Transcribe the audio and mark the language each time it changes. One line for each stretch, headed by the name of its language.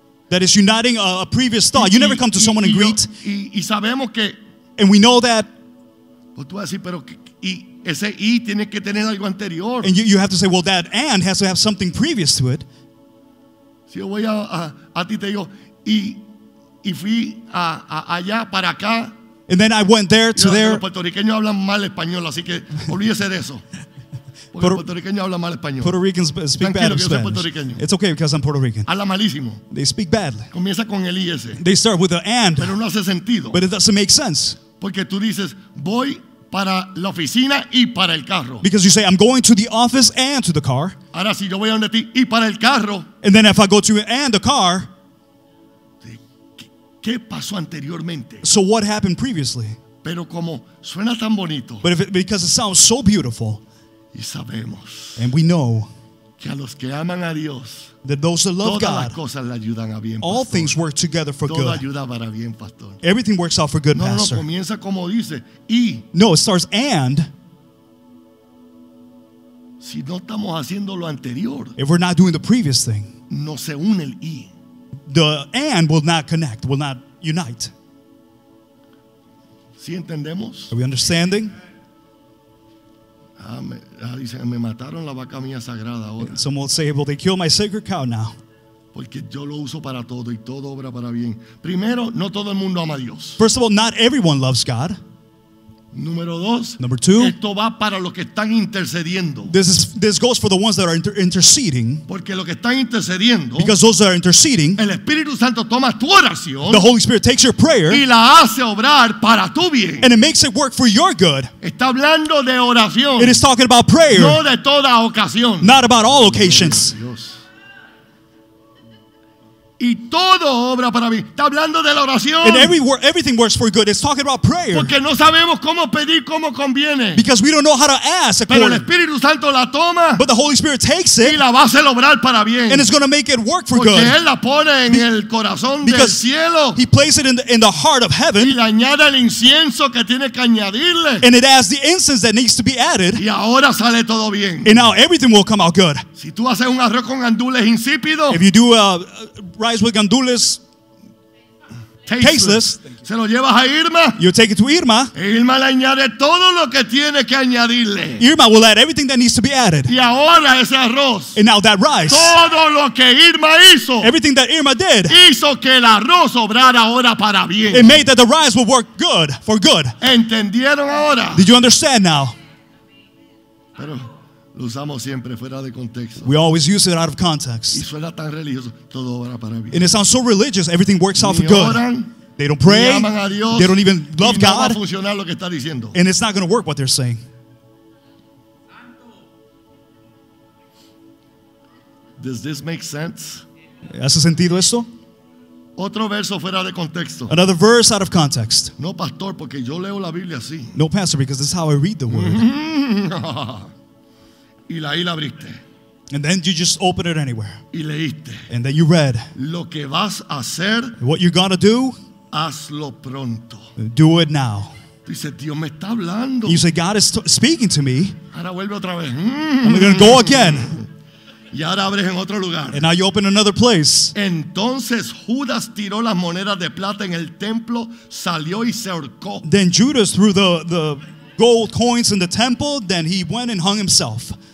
English: That is uniting a previous thought. You never come to someone and greet.
Spanish: Y sabemos que.
English: And we know that.
Spanish: Pues tú vas a decir, pero y. Ese y tiene que tener algo anterior.
English: And you have to say, well, that and has to have something previous to it.
Spanish: Si yo voy a ti te digo, y fui allá para acá.
English: And then I went there to there.
Spanish: Los puertorriqueños hablan mal español, así que olvídese de eso. Porque los puertorriqueños hablan mal español.
English: Puerto Ricans speak bad Spanish.
Spanish: Tranquilo, yo soy puertorriqueño.
English: It's okay because I'm Puerto Rican.
Spanish: Habla malísimo.
English: They speak badly.
Spanish: Comienza con el y ese.
English: They start with the and.
Spanish: Pero no hace sentido.
English: But it doesn't make sense.
Spanish: Porque tú dices, voy para la oficina y para el carro.
English: Because you say I'm going to the office and to the car.
Spanish: Ahora si yo voy donde ti y para el carro.
English: And then if I go to and the car.
Spanish: ¿Qué pasó anteriormente?
English: So what happened previously?
Spanish: Pero como suena tan bonito.
English: But because it sounds so beautiful.
Spanish: Y sabemos.
English: And we know.
Spanish: Que a los que aman a Dios.
English: That those that love God.
Spanish: Todas las cosas le ayudan a bien, pastor.
English: All things work together for good.
Spanish: Todo ayuda para bien, pastor.
English: Everything works out for good,
Spanish: no,
English: pastor.
Spanish: No, comienza como dice, y.
English: No, it starts and.
Spanish: Si no estamos haciendo lo anterior.
English: If we're not doing the previous thing.
Spanish: No se une el y.
English: The and will not connect, will not unite.
Spanish: ¿Sí entendemos?
English: Are we understanding?
Spanish: Dice, me mataron la vaca mía sagrada ahora.
English: Some will say, well, they killed my sacred cow now.
Spanish: Porque yo lo uso para todo y todo obra para bien. Primero, no todo el mundo ama a Dios.
English: First of all, not everyone loves God.
Spanish: Número dos.
English: Number two.
Spanish: Esto va para los que están intercediendo.
English: This goes for the ones that are interceding.
Spanish: Porque los que están intercediendo.
English: Because those that are interceding.
Spanish: El Espíritu Santo toma tu oración.
English: The Holy Spirit takes your prayer.
Spanish: Y la hace obrar para tu bien.
English: And it makes it work for your good.
Spanish: Está hablando de oración.
English: It is talking about prayer.
Spanish: No de toda ocasión.
English: Not about all occasions.
Spanish: Y todo obra para mí. Está hablando de la oración.
English: And everything works for good. It's talking about prayer.
Spanish: Porque no sabemos cómo pedir como conviene.
English: Because we don't know how to ask.
Spanish: Pero el Espíritu Santo la toma.
English: But the Holy Spirit takes it.
Spanish: Y la va a hacer obrar para bien.
English: And it's going to make it work for
Spanish: porque
English: good.
Spanish: Porque él la pone en el corazón
English: because
Spanish: del cielo.
English: He places it in the heart of heaven.
Spanish: Y le añade el incienso que tiene que añadirle.
English: And it adds the incense that needs to be added.
Spanish: Y ahora sale todo bien.
English: And now everything will come out good.
Spanish: Si tú haces un arroz con gandules insípido.
English: If you do rice with gandules tasteless,
Spanish: se lo llevas a Irma.
English: You take it to Irma.
Spanish: Irma le añade todo lo que tiene que añadirle.
English: Irma will add everything that needs to be added.
Spanish: Y ahora ese arroz.
English: And now that rice.
Spanish: Todo lo que Irma hizo.
English: Everything that Irma did.
Spanish: Hizo que el arroz obrara ahora para bien.
English: It made that the rice will work good for good.
Spanish: ¿Entendieron ahora?
English: Did you understand now?
Spanish: Pero lo usamos siempre fuera de contexto.
English: We always use it out of context.
Spanish: Y suena tan religioso, todo obra para bien.
English: And it sounds so religious, everything works
Spanish: ni
English: out for good.
Spanish: Oran,
English: they don't pray.
Spanish: Ni aman a Dios,
English: they don't even love
Spanish: ni
English: God.
Spanish: No va a funcionar lo que está diciendo.
English: And it's not going to work what they're saying. Does this make sense?
Spanish: ¿Hace sentido esto? Otro verso fuera de contexto.
English: Another verse out of context.
Spanish: No, pastor, porque yo leo la Biblia así.
English: No, pastor, because this is how I read the word.
Spanish: Y ahí la abriste.
English: And then you just open it anywhere.
Spanish: Y leíste.
English: And then you read.
Spanish: Lo que vas a hacer.
English: What you're gonna do.
Spanish: Hazlo pronto.
English: Do it now.
Spanish: Dice, Dios me está hablando.
English: You say, God is speaking to me.
Spanish: Ahora vuelve otra vez.
English: I'm gonna go again.
Spanish: Y ahora abres en otro lugar.
English: And now you open another place.
Spanish: Entonces Judas tiró las monedas de plata en el templo, salió y se ahorcó.
English: Then Judas threw the gold coins in the temple, then he went and hung himself.